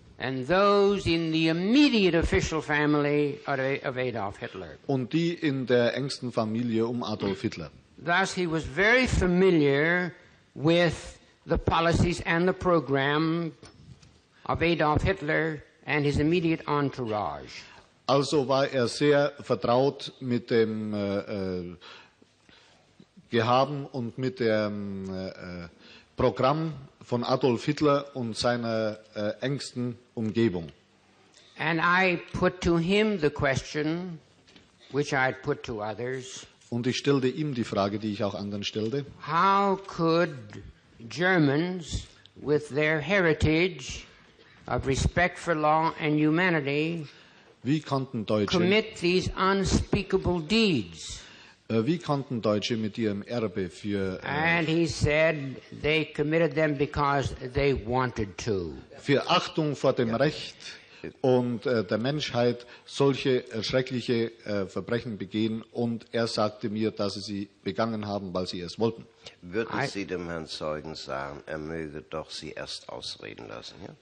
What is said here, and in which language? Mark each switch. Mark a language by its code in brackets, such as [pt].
[en] and those in the immediate official family of Adolf Hitler. [de] Und die in der engsten Familie Adolf Hitler. [en] Thus he was very familiar with the policies and the program of Adolf Hitler and his immediate entourage. [de] Also war sehr vertraut mit dem Gehaben und mit dem Programm von Adolf Hitler und seiner engsten Umgebung. [en] And I put to him the question, which I put to others, [de] und ich stellte ihm die Frage, die ich auch anderen stellte. [en] How could Germans with their heritage of respect for law and humanity, [de] wie konnten Deutsche, [en] commit these unspeakable deeds? [de] Wie konnten Deutsche mit ihrem Erbe für [en] and he said they committed them because they wanted to. [de] Für Achtung vor dem Recht und der Menschheit solche schreckliche Verbrechen begehen, und sagte mir, dass sie begangen haben, weil sie es wollten. Würden Sie dem Herrn Zeugen sagen, möge doch sie erst ausreden lassen?